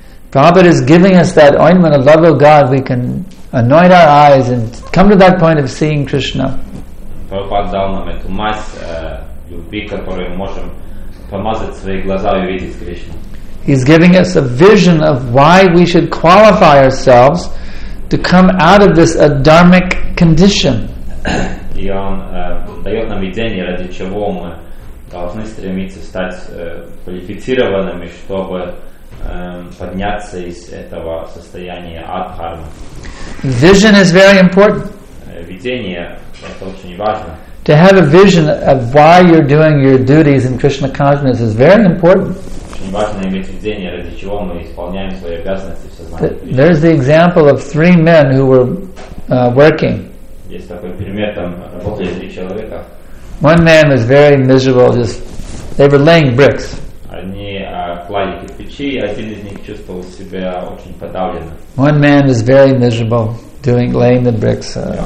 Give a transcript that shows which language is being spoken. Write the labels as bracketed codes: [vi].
[en] Prabhupada is giving us that ointment of love of God. We can anoint our eyes and come to that point of seeing Krishna. [ru] Prabhupada дал нам эту мазь любви, которую можем помазать свои глаза и видеть Кришну. [en] He's giving us a vision of why we should qualify ourselves to come out of this adharmic condition. [ru] И он дает нам видение, ради чего мы должны стремиться стать квалифицированными, чтобы подняться из этого состояния адхармы. [en] Vision is very important. [ru] Видение это очень важно. [en] To have a vision of why you're doing your duties in Krishna consciousness is very important. [ru] Очень важно иметь видение, ради чего мы исполняем свои обязанности в сознании. [en] There's the example of three men who were working. [ru] Есть такой пример, там работали три человека. [en] One man was very miserable, just they were laying bricks. [ru] Они клали кирпичи, и один из них чувствовал себя очень подавленным. [en] One man is very miserable laying the bricks.